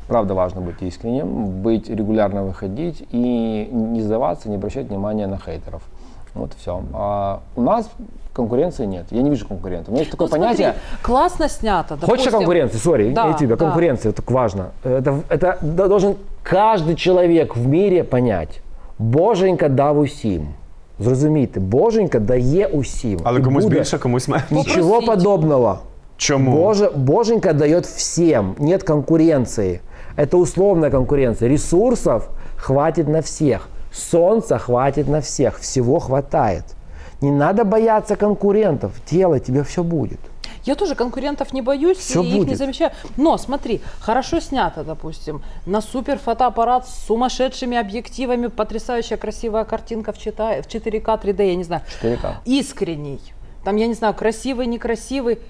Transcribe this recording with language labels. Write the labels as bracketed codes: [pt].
[ru] Правда, важно быть искренним, быть регулярно выходить и не сдаваться, не обращать внимания на хейтеров. Вот все. А у нас конкуренции нет. Я не вижу конкурентов. У меня есть такое понятие. Смотри, классно снято. Допустим. Хочешь конкуренции? Сори, да, я тебе. Конкуренция, да. Это так важно. Это должен каждый человек в мире понять. [uk] Боженька дав усім. Зрозумійте, Боженька дає усім. Але і комусь більше, комусь менше. Нічого [ru] подобного. [uk] Чому? Боженька дає всім. [ru] Нет [uk] конкуренції. Це условна конкуренція. Ресурсів хватить на всіх. Сонця хватить на всіх. Всього хватає. Не треба боятися конкурентів. Тіло, тебе все буде. [ru] Я тоже конкурентов не боюсь, все и будет. Их не замечаю. Но смотри, хорошо снято, допустим, на супер фотоаппарат с сумасшедшими объективами, потрясающая красивая картинка в 4К, 3D, я не знаю. 4К. Искренний. Там, я не знаю, красивый, некрасивый.